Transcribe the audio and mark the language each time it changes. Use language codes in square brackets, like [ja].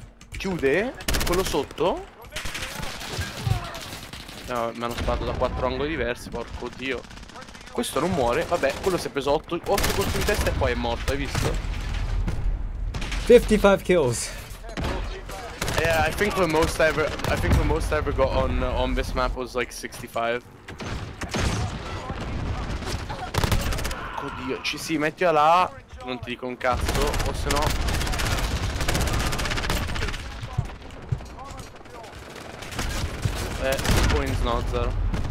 [it] Chiude? Quello sotto? No, mi hanno sparato da quattro angoli diversi, porco dio. Questo non muore, vabbè, quello si è preso 8 colpi in testa e poi è morto, hai visto? [en] 55 kills. Yeah, I think the most I ever got on this map was like 65. [it] Oddio, ci si, metti là, non ti dico un cazzo, o se no... [en] points not zero.